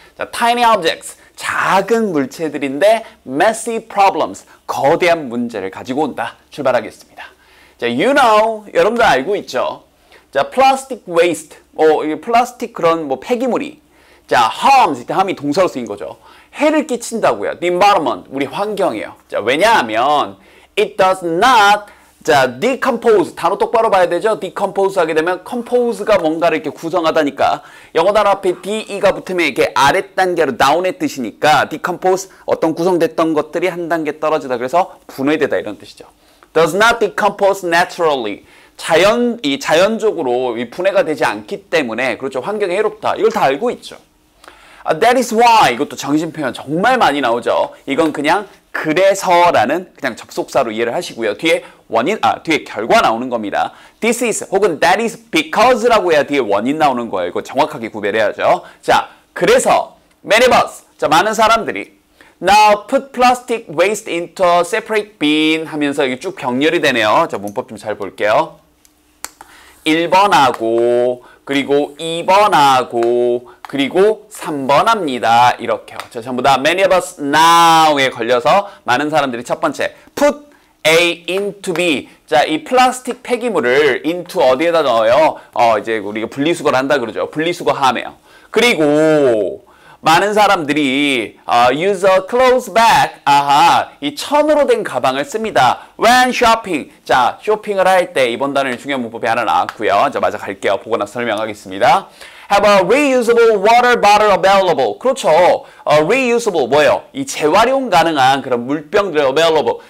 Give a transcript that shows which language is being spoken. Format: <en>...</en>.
<ko>자,</ko> <en>tiny objects,</en> <ko>작은 물체들인데</ko> <en>messy problems,</en> <ko>거대한 문제를 가지고 온다. 출발하겠습니다. 자,</ko> <en>you know,</en> <ko>여러분도 알고 있죠. 자,</ko> <en>plastic waste,</en> <ko>플라스틱 그런 뭐 폐기물이. 자, harms, 이때 harm이 동사로 쓰인 거죠. 해를 끼친다고요.</ko> <en>The environment,</en> <ko>우리 환경이에요. 자, 왜냐하면</ko> <en>it does not 자, decompose.</en> <ko>단어 똑바로 봐야 되죠? decompose 하게 되면 compose가 뭔가를 이렇게 구성하다니까. 영어 단어 앞에 de가 붙으면 이게 아래 단계로 down의 뜻이니까 decompose 어떤 구성됐던 것들이 한 단계 떨어지다. 그래서 분해되다 이런 뜻이죠.</ko> <en>does not decompose naturally.</en> <ko>자연적으로 분해가 되지 않기 때문에 그렇죠. 환경에 해롭다. 이걸 다 알고 있죠.</ko> <en>That is why.</en> <ko>이것도 정신 표현 정말 많이 나오죠. 이건 그냥 그래서라는 그냥 접속사로 이해를 하시고요. 뒤에 원인, 아, 뒤에 결과 나오는 겁니다.</ko> <en>This is</en> <ko>혹은</ko> <en>that is because</en> <ko>라고 해야 뒤에 원인 나오는 거예요. 이거 정확하게 구별해야죠. 자, 그래서</ko> <en>many of us,</en> <ko>자, 많은 사람들이</ko> <en>now put plastic waste into a separate bin</en> <ko>하면서 이게 쭉 병렬이 되네요. 자, 문법 좀 잘 볼게요. 1번하고 그리고 2번하고 그리고 3번 합니다. 이렇게요. 자, 전부 다</ko> <en>many of us now</en> <ko>에 걸려서 많은 사람들이 첫 번째</ko> <en>put A into B.</en> <ko>자, 이 플라스틱 폐기물을 into 어디에다 넣어요? 이제 우리가 분리수거를 한다 그러죠. 분리수거 함에요. 그리고 많은 사람들이</ko> <en>use a clothes bag.</en> <ko>아하, 이 천으로 된 가방을 씁니다.</ko> <en>When shopping.</en> <ko>자, 쇼핑을 할 때 이번 단어는 중요한 문법이 하나 나왔고요. 자, 맞아 갈게요. 보거나 설명하겠습니다.</ko> <en>Have a reusable water bottle available.</en> <ko>그렇죠. Reusable 뭐예요? 이 재활용 가능한 그런 물병들 available.</ko>